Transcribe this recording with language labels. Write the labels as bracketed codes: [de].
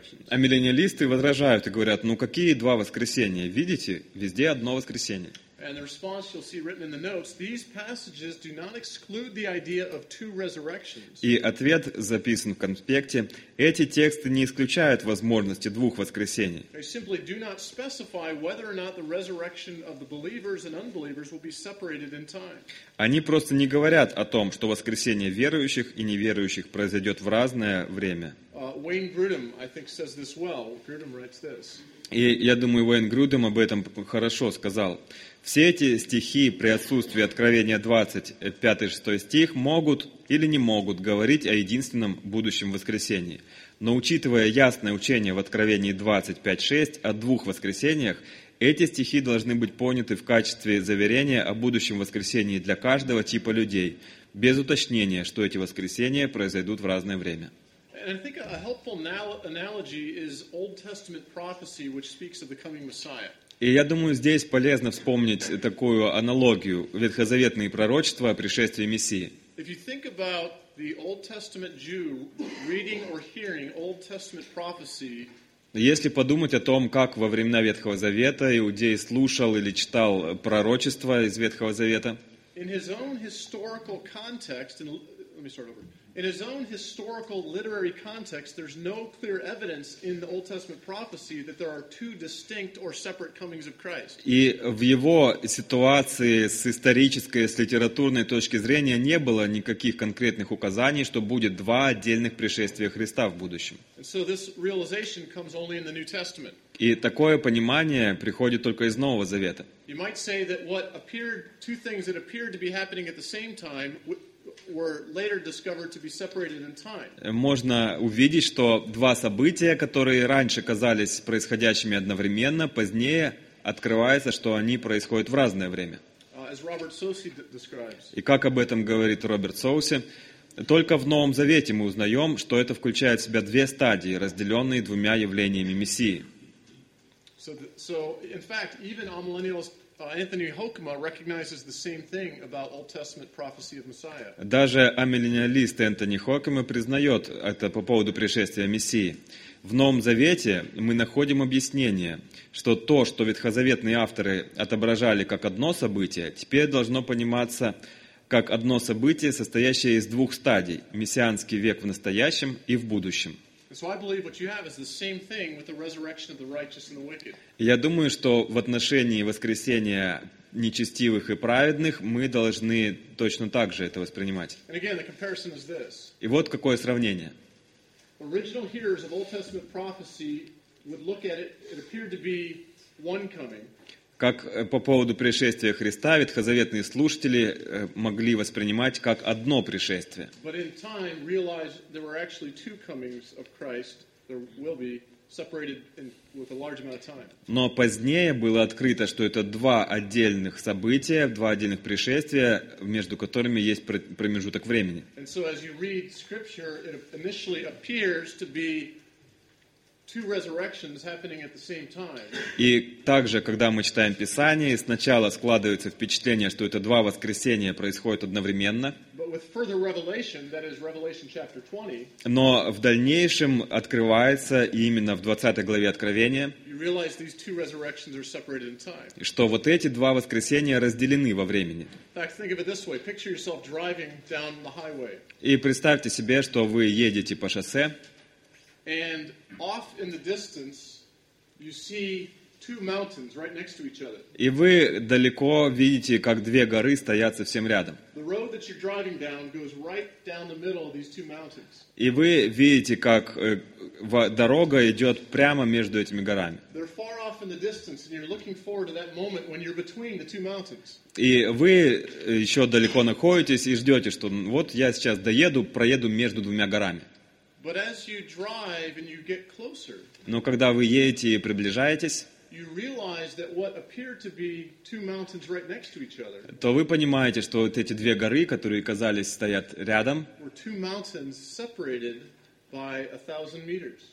[ru] А миллениалисты возражают и говорят, ну какие два воскресения? Видите, везде одно воскресение. [en] And the response you'll see written in the notes, these passages do not exclude the idea of two resurrections. [ru] И ответ записан в конспекте. Эти тексты не исключают возможности двух воскресений. [en] They simply do not specify whether or not the resurrection of the believers and unbelievers will be separated in time. [ru] Они просто не говорят о том, что воскресение верующих и неверующих произойдет в разное время. [en] Wayne Grudem, I think, says this well. Grudem writes this. [ru] И я думаю, Уэйн Грюдем об этом хорошо сказал. Все эти стихи при отсутствии Откровения 20:5-6 стих могут или не могут говорить о единственном будущем воскресении. Но учитывая ясное учение в Откровении 20:5-6 о двух воскресениях, эти стихи должны быть поняты в качестве заверения о будущем воскресении для каждого типа людей, без уточнения, что эти воскресения произойдут в разное время. [en] And I think a helpful analogy is Old Testament prophecy, which speaks of the coming Messiah. [ru] И я думаю, здесь полезно вспомнить такую аналогию — ветхозаветные пророчества о пришествии Мессии. [en] If you think about the Old Testament Jew reading or hearing Old Testament prophecy, [ru] если подумать о том, как во времена Ветхого Завета иудей слушал или читал пророчества из Ветхого Завета, [en] in his own historical context, and let me start over. In his own historical literary context, there's no clear evidence in the Old Testament prophecy that there are two distinct or separate comings of Christ. [ru] И в его ситуации с исторической, с литературной точки зрения не было никаких конкретных указаний, что будет два отдельных пришествия Христа в будущем. [en] And so this realization comes only in the New Testament. [ru] И такое понимание приходит только из Нового Завета. [en] You might say that what appeared two things that appeared to be happening at the same time were later discovered to be separated in time. [ru] Можно увидеть, что два события, которые раньше казались происходящими одновременно, позднее открывается, что они происходят в разное время. [en] As Robert Soucy describes. [ru] И как об этом говорит Роберт Соуси, только в Новом Завете мы узнаем, что это включает в себя две стадии, разделенные двумя явлениями Мессии. [en] So in fact, even amillennialists Anthony Hokema recognizes the same thing about Old Testament prophecy of Messiah. [ru] Даже амиллениалист Энтони Хокема признает это по поводу пришествия Мессии. В Новом Завете мы находим объяснение, что то, что ветхозаветные авторы отображали как одно событие, теперь должно пониматься как одно событие, состоящее из двух стадий – мессианский век в настоящем и в будущем. [en] So I believe what you have is the same thing with the resurrection of the righteous and the wicked. [ru] Я думаю, что в отношении воскресения нечестивых и праведных мы должны точно так же это воспринимать. [en] And again, the comparison is this. [ru] И вот какое сравнение. [en] Original hearers of Old Testament prophecy would look at it, it appeared to be one coming. [ru] Как по поводу пришествия Христа, ветхозаветные слушатели могли воспринимать как одно пришествие. [en] But in time, realize there were actually two comings of Christ. There will be separated with a large amount of time. [ru] Но позднее было открыто, что это два отдельных события, два отдельных пришествия, между которыми есть промежуток времени. [en] And so as you read scripture, it initially appears to be two resurrections happening at the same time. [ru] И также, когда мы читаем Писание, сначала складывается впечатление, что это два воскресения происходят одновременно. [en] But with further revelation, that is Revelation chapter 20. [ru] Но в дальнейшем открывается именно в 20 главе Откровения. [en] You realize these two resurrections are separated in time. [ru] Что вот эти два воскресения разделены во времени. [en] In fact, think of it this way. Picture yourself driving down the highway. [ru] И представьте себе, что вы едете по шоссе. [en] And off in the distance, you see two mountains right next to each other. [ru] И вы далеко видите, как две горы стоят совсем рядом. [en] The road that you're driving down goes right down the middle of these two mountains. [ru] И вы видите, как дорога идет прямо между этими горами. [en] They're far off in the distance, and you're looking forward to that moment when you're between the two mountains. [ru] И вы еще далеко находитесь и ждете, что вот я сейчас доеду, проеду между двумя горами. [en] But as you drive and you get closer, [ru] но когда вы едете и приближаетесь, [en] you realize that what appeared to be two mountains right next to each other. [ru] То вы понимаете, что вот эти две горы, которые казались стоят рядом, [en] were two mountains separated by 1,000 meters.